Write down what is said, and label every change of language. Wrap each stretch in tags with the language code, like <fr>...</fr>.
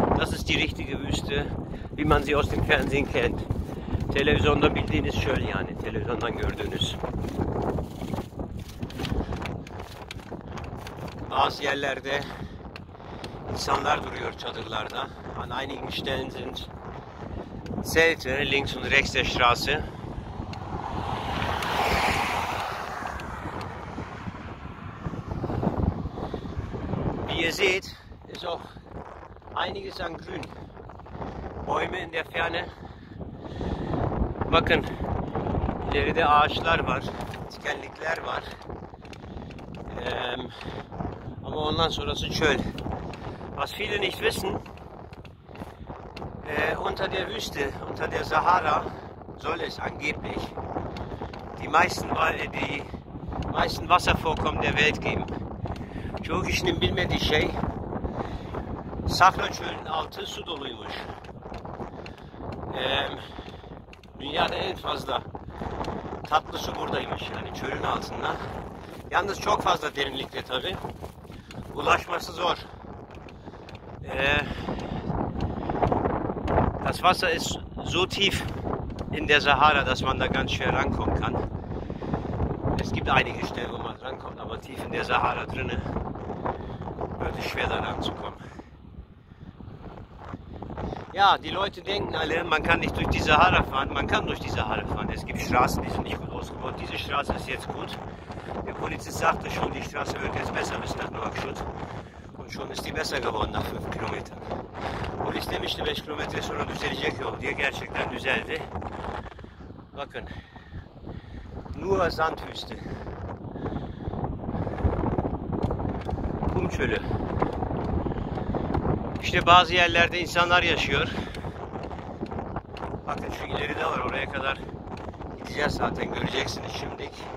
<de>Das ist die richtige Wüste, wie man sie aus dem Fernsehen kennt.</de> <tr>Televizyonda bildiğiniz çöl yani, televizyondan gördüğünüz. Bazı yerlerde insanlar duruyor çadırlarda.</tr> <de>An einigen Stellen sind Zelte, links und rechts der Straße. Wie ihr seht, ist auch einiges an Grün. Bäume in der Ferne.</de> <tr>Bakın, ileride ağaçlar var, dikenlikler var. Ama ondan sonrası çöl.</tr> <de>Was viele nicht wissen, unter der Wüste, unter der Sahara, soll es angeblich die meisten, die meisten Wasservorkommen der Welt geben.</de> <tr>Türkischen bilmediği şey, Sakra Çölü'nün altı su doluymuş. Dünyada en fazla tatlı su buradaymış, yani çölün altında. Yalnız çok fazla derinlikte tabi. Ulaşması zor.</tr> <de>Das Wasser ist so tief in der Sahara, dass man da ganz schwer rankommen kann. Es gibt einige Stellen, wo man rankommt, aber tief in der Sahara drinnen wird es schwer, da ranzukommen. Ja, die Leute denken alle, man kann nicht durch die Sahara fahren. Man kann durch die Sahara fahren. Es gibt Straßen, die sind nicht gut ausgebaut. Diese Straße ist jetzt gut. Der Polizist sagte schon, die Straße wird jetzt besser bis nach Nouakchott. Und schon ist die besser geworden nach 5 Kilometern. Und ich</de> <tr>demişti 5 Kilometer sonra düzelecek yol diye. Gerçekten düzeldi. Bakın.</tr> <de>Nur Sandwüste.</de> <tr>Kum çölü. İşte bazı yerlerde insanlar yaşıyor. Bakın şu ileri de var, oraya kadar gideceğiz zaten, göreceksiniz şimdi.</tr>